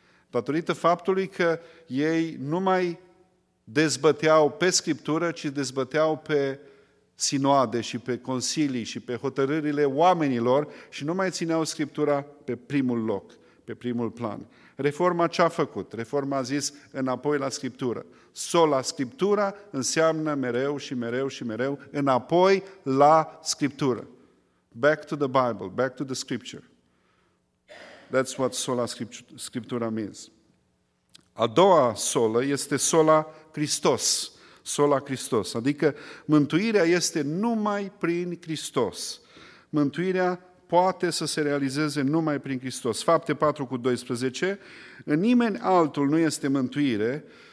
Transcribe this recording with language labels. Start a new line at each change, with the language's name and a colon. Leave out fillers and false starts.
Romanian: Datorită faptului că ei nu mai dezbăteau pe Scriptură, ci dezbăteau pe sinoade și pe consilii și pe hotărârile oamenilor și nu mai țineau Scriptura pe primul loc, pe primul plan. Reforma ce a făcut? Reforma a zis înapoi la Scriptură. Sola Scriptura înseamnă mereu și mereu și mereu înapoi la Scriptură.
English: Back to the Bible, back to the Scripture. That's what sola Scriptura means.
Romanian: A doua solă este sola Christos. Sola Christos, adică mântuirea este numai prin Hristos. Mântuirea poate să se realizeze numai prin Hristos. Fapte 4:12, în nimeni altul nu este mântuire.